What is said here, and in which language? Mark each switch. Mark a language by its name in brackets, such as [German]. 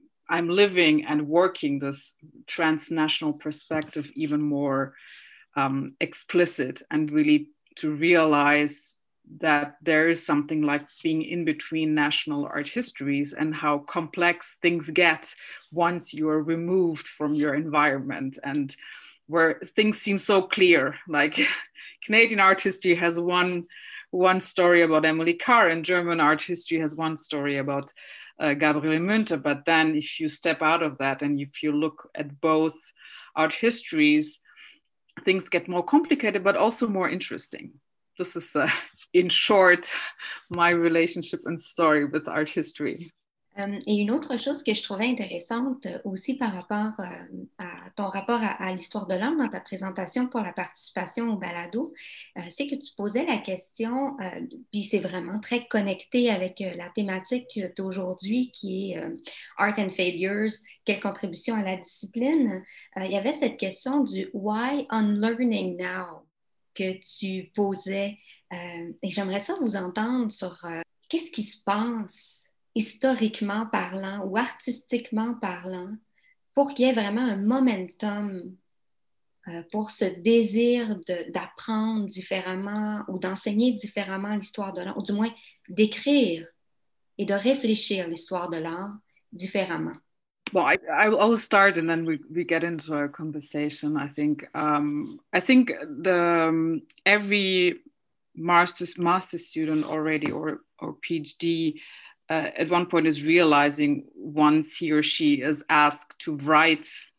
[English] I'm living and working this transnational perspective even more explicit, and really to realize that there is something like being in between national art histories and how complex things get once you are removed from your environment, and where things seem so clear, like Canadian art history has one story about Emily Carr and German art history has one story about Gabriele Münter. But then if you step out of that and if you look at both art histories, things get more complicated, but also more interesting. This is, in short, my relationship and story with art history. [French] Et une autre chose que je trouvais intéressante aussi par rapport à ton rapport à l'histoire de l'art dans ta présentation pour la participation au balado, c'est que tu posais la question, puis c'est vraiment très connecté avec la thématique d'aujourd'hui qui est [English] Art and Failures, [French] quelle contribution à la discipline. Il y avait cette question du [English] Why Unlearning Now [French] que tu posais, et j'aimerais ça vous entendre sur qu'est-ce qui se passe historiquement parlant ou artistiquement parlant, pour qu'il y ait vraiment un momentum pour ce désir d'apprendre différemment ou d'enseigner différemment l'histoire de l'art, ou du moins d'écrire et de réfléchir l'histoire de l'art différemment. [English] Well, I will start and then we get into our conversation. I think the every master student already or PhD at one point is realizing, once he or she is asked to write